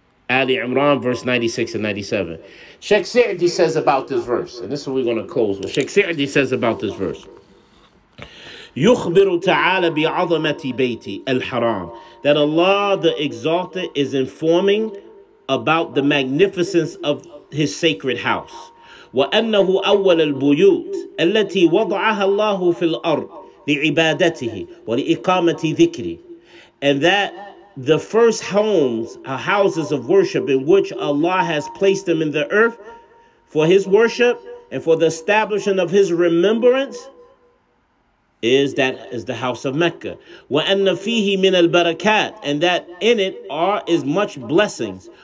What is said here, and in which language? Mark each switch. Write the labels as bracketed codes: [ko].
[en] Ali Imran, verse 96 and 97. Sheikh Sa'di says about this verse, and this is what we're going to close with. Sheikh Sa'di says about this verse. [ar] يُخْبِرُ تَعَالَى بِعَظَمَةِ بَيْتِ الْحَرَامِ. [en] That Allah the Exalted is informing about the magnificence of His sacred house. [ar] وأنه أول البيوت التي وضعها الله في الأرض لعبادته ولإقامة ذكره. [en] And that the first homes are houses of worship in which Allah has placed them in the earth for his worship and for the establishing of his remembrance is the house of Mecca. [ar] وَأَنَّ فِيهِ مِنَ الْبَرَكَاتِ [en] And that in it is much blessings.